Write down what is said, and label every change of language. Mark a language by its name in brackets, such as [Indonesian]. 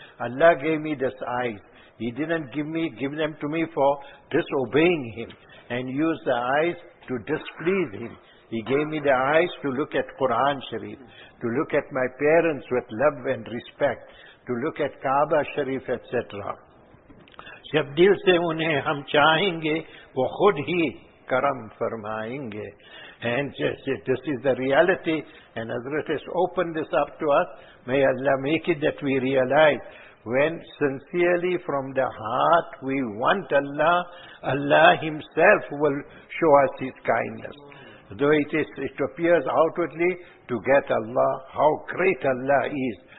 [English] Allah gave me this eyes. He didn't give them to me for disobeying Him, and use the eyes to displease Him. He gave me the eyes to look at Quran Sharif, to look at my parents with love and respect, to look at Kaaba Sharif, etc. [Urdu] جب دل سے انہیں ہم چاہیں گے وہ خود ہی کرم فرمائیں گے. [English] And this is the reality, and Hazrat has opened this up to us. May Allah make it that we realize when sincerely from the heart we want Allah, Allah Himself will show us His kindness. Though it appears outwardly to get Allah, how great Allah is.